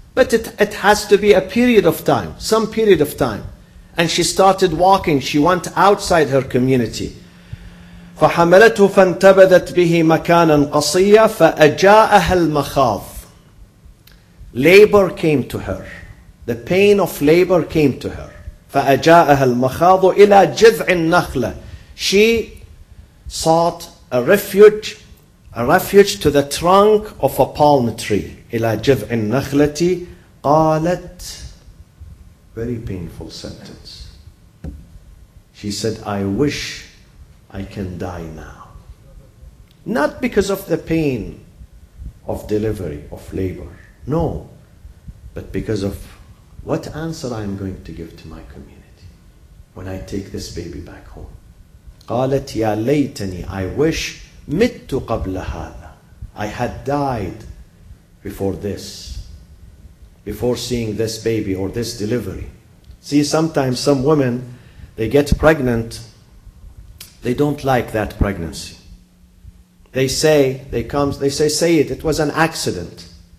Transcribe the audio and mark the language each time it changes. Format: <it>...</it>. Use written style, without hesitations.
<en>But it has to be a period of time, some period of time. And she started walking. She went outside her community.</en> <ar>فَحَمَلَتْهُ فَانْتَبَذَتْ بِهِ مَكَانًا قَصِيًّا فَأَجَاءَهَا الْمَخَاضِ.</ar> <en>Labor came to her. The pain of labor came to her.</en> <ar>فأجاءها المخاض إلى جذع النخلة.</ar> <en>She sought a refuge to the trunk of a palm tree.</en> <ar>إلى جذع النخلة قالت.</ar> <en>Very painful sentence. She said, I wish I can die now. Not because of the pain of delivery, of labor. No. But because of what answer I am going to give to my community when I take this baby back home.</en> <ar>قالت يا ليتني,</ar> <en>I wish</en> <ar>مت قبل هذا.</ar> <en>I had died before this, before seeing this baby or this delivery. See, sometimes some women, they get pregnant, they don't like that pregnancy. They say it was an accident.</en>